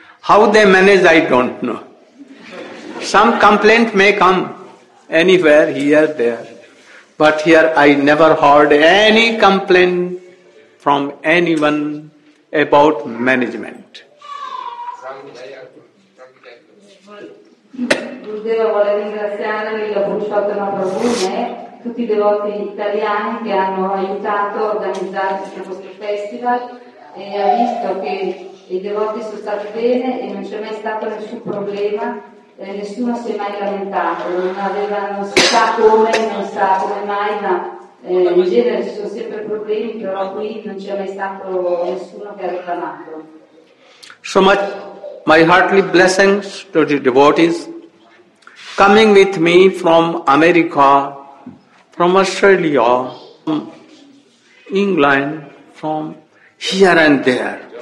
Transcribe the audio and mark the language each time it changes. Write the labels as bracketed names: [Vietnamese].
[English] How they manage, I don't know. Some complaint may come anywhere, here, there. But here I never heard any complaint from anyone about management. [Italian] Gurudeva vuole ringraziare la Purushottama Prabhu e tutti i devoti italiani che hanno aiutato a organizzare questo festival e ha visto che i devoti sono stati bene e non c'è mai stato nessun problema, nessuno si è mai lamentato, non si sa come mai, ma in genere ci sono sempre problemi, però qui non c'è mai stato nessuno che ha reclamato. [English] So much. My heartly blessings to the devotees coming with me from America, from Australia, from England, from here and there, Germany.